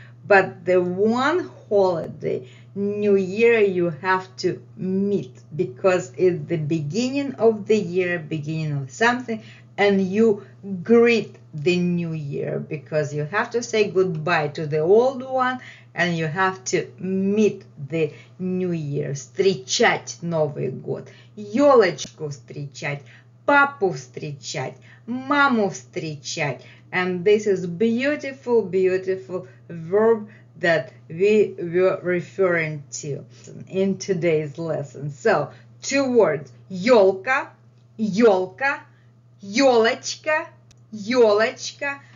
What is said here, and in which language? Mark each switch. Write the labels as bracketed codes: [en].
[en] But the one holiday, New Year, you have to meet because it's the beginning of the year, beginning of something, and you greet the New Year because you have to say goodbye to the old one and you have to meet the New Year. [ru] Встречать Новый год. Ёлочку встречать. Папу встречать, маму встречать. [en] And this is beautiful, beautiful verb that we were referring to in today's lesson. So, two words. [ru] Ёлка, ёлка, ёлочка, ёлочка.